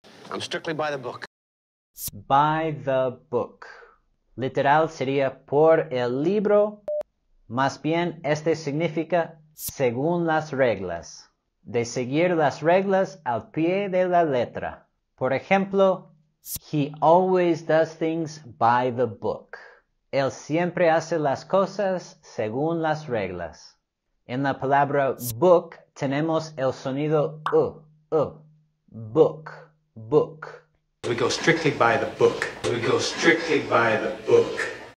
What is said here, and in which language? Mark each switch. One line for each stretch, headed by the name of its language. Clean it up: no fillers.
English: I'm strictly by the book. By the book.
Spanish: Literal sería por el libro. Más bien, este significa según las reglas. De seguir las reglas al pie de la letra. Por ejemplo,
English: he always does things by the book.
Spanish: Él siempre hace las cosas según las reglas. En la palabra book tenemos el sonido u, u.
English: Book, book. We go strictly by the book. We go strictly by the book.